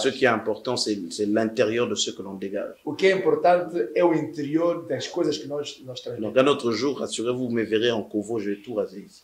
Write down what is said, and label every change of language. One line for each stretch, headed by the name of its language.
French: Ce qui est important, c'est l'intérieur de ce que l'on dégage.
Portuguese: O que é importante é o interior das coisas que nós trazemos.
French: Donc, un autre jour, rassurez-vous, vous me verrez en couvre, je vais tout raser ici.